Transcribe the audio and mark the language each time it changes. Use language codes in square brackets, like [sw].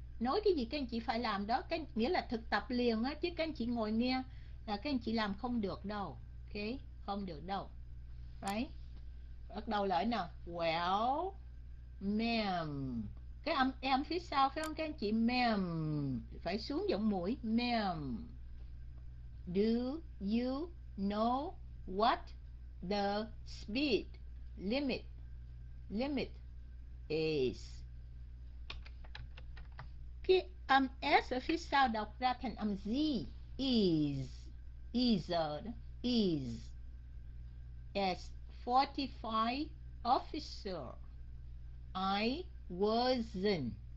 [vi] Nói cái gì các anh chị phải làm đó, cái nghĩa là thực tập liền á, chứ các anh chị ngồi nghe là các anh chị làm không được đâu. Ok, không được đâu. [en] Right. [vi] Bắt đầu lại nè. [en] Well, ma'am. [vi] Cái âm em phía sau phải không các anh chị? Ma'am. Phải xuống giọng mũi. Ma'am. [en] Do you know what the speed limit is? [vi] Cái âm S ở phía sau đọc ra thành âm Z. [en] Is. Is. Is. As 45 officer, I wasn't.